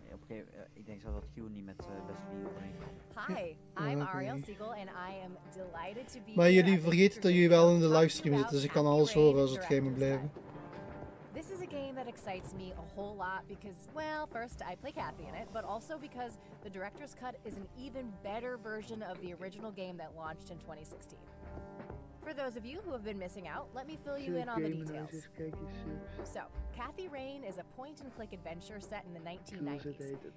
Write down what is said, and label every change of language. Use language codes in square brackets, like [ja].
[nl] Op een gegeven moment, ik denk zo dat Hugh niet met Leslie overeen kwam. [en] Hi, I'm Ariel Siegel and I am delighted to be here. [nl] Maar jullie vergeten dat jullie wel in de livestream zitten, dus ik kan alles horen als het geheim blijft. [en] This is a game that excites me a whole lot because, well, first, I play Kathy in it, but also because the director's cut is an even better version of the original game that launched in 2016. For those of you who have been missing out, let me fill you in on the details. So, Kathy Rain is a point-and-click adventure set in the 1990s.